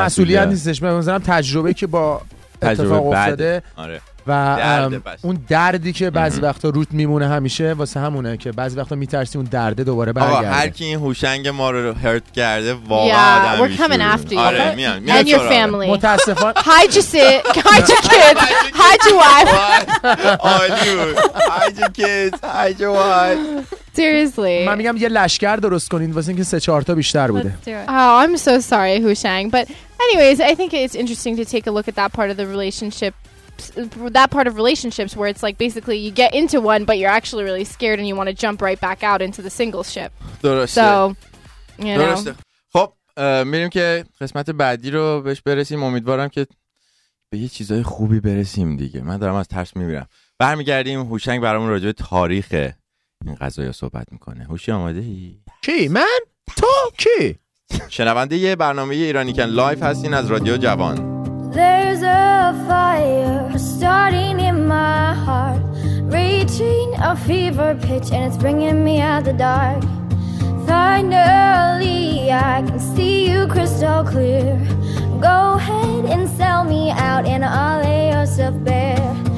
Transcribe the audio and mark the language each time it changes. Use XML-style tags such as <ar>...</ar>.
<fa>مسئولیت نیستش، من منظورم تجربه که با تجربه اتفاق افتاده. آره. و درد اون دردی که بعضی وقتا روت میمونه همیشه واسه همونه که بعضی وقتا میترسی اون درده دوباره برگرده. هر کی این هوشنگ ما رو هرت کرده واقعا آدم</fa> <en>we're coming after you.</en> <fa>آره میان</fa> <en>and your family.</en> <fa>متاسفانه</fa> <en>hi Jessica, hi your kids, hi your wife. Hi your kids, hi your wife. Seriously.</en> <fa>من میگم یه لشکر درست کنین واسه اینکه 3-4 تا بیشتر بوده.</fa> <en>Oh, I'm so sorry, Hushang, but anyways, I think it's interesting to take a look at that part of the relationship. That part of relationships where it's like basically you get into one but you're actually really scared and you want to jump right back out into the single ship.</en> <fa>درسته. So, درسته. خب، میریم که قسمت بعدی رو بهش برسیم. امیدوارم که به یه چیزای خوبی برسیم دیگه. من دارم از ترس میمیرم. برمیگردیم، هوشنگ برامون راجع به تاریخ این قضایی صحبت میکنه. هوشی آماده ای؟ کی؟ من؟ تو؟ کی؟ شنونده یه برنامه ایرانی کن لایف هستین از رادیو جوان.</fa> <en>There's a fire starting in my heart reaching a fever pitch and it's bringing me out the dark. finally I can see you crystal clear. Go ahead and sell me out and I'll lay yourself bare.</en>